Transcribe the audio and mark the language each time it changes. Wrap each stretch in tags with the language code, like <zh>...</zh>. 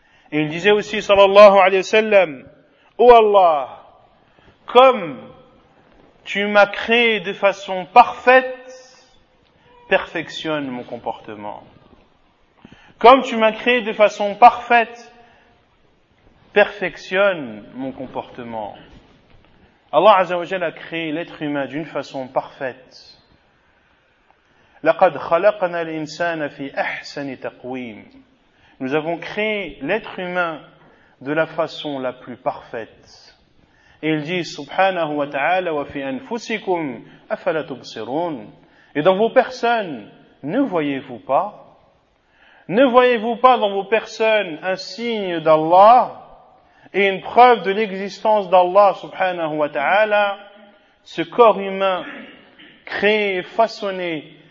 <fr>Et il disait aussi,</fr> <ar>sallallahu alayhi wa sallam,</ar> <fr>ô Allah, comme tu m'as créé de façon parfaite, perfectionne mon comportement. Comme tu m'as créé de façon parfaite, perfectionne mon comportement. Allah</fr> <ar>Azza wa Jalla</ar> <fr>a créé l'être humain d'une façon parfaite.</fr> <ar>لقد خلقنا الإنسان في أحسن تقويم.</ar> <fr>Nous avons créé l'être humain de la façon la plus parfaite. Et il dit</fr> <ar>سبحانه وتعالى وفي أنفسكم أفلا تبصرون.</ar> <fr>Et dans vos personnes, ne voyez-vous pas? Ne voyez-vous pas dans vos personnes un signe d'Allah? Et une preuve de l'existence d'Allah</fr> <ar>subhanahu wa ta'ala,</ar> <fr>ce corps humain créé et façonné</fr>